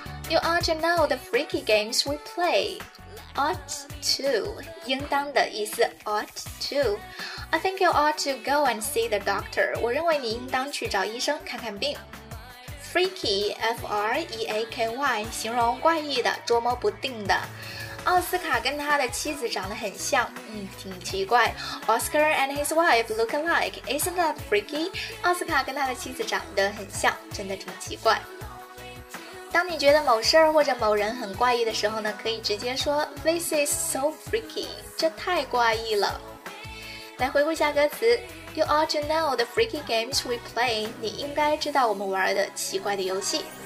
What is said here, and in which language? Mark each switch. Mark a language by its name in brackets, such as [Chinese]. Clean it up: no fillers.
[English] You ought to know the freaky games we play. Ought to, [Chinese] 应当的意思 [English] ought to. I think you ought to go and see the doctor. [Chinese] 我认为你应当去找医生看看病。 Freaky, F-R-E-A-K-Y, 形容怪异的，捉摸不定的。奥斯卡跟他的妻子长得很像，挺奇怪。 [English] Oscar and his wife look alike, isn't that freaky? [Chinese] 奥斯卡跟他的妻子长得很像，真的挺奇怪。当你觉得某事或者某人很怪异的时候呢，可以直接说 [English] This is so freaky, [Chinese] 这太怪异了。来回顾一下歌词。 [English] You ought to know the freaky games we play. [Chinese] 你应该知道我们玩的奇怪的游戏。